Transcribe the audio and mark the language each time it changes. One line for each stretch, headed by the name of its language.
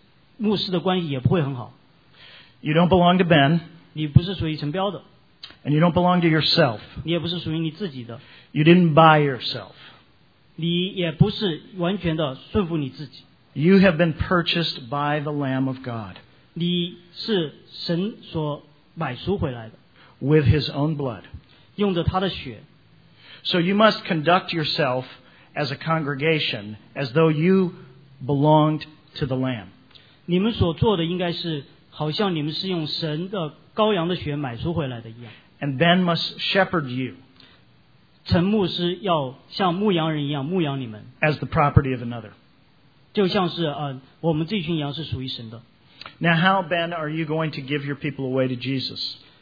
Chinese: 你们如果不是清楚你们是属于另外一个更高的神，你跟牧师的关系也不会很好。
English: You don't belong to Ben.
Chinese: 你不是属于陈彪的。
English: And you don't belong to yourself.
Chinese: 你也不是属于你自己的。
English: You didn't buy yourself.
Chinese: 你也不是完全的顺服你自己。
English: You have been purchased by the Lamb of God.
Chinese: 你是神所买赎回来的。
English: With his own blood.
Chinese: 用着他的血。
English: So you must conduct yourself as a congregation as though you belonged to the Lamb.
Chinese: 你们所做的应该是好像你们是用神的羔羊的血买赎回来的一样。
English: And Ben must shepherd you.
Chinese: 陈牧师要像牧羊人一样牧羊你们。
English: As the property of another.
Chinese: 就像是我们这群羊是属于神的。
English: Now how, Ben, are you going to give your people away to Jesus?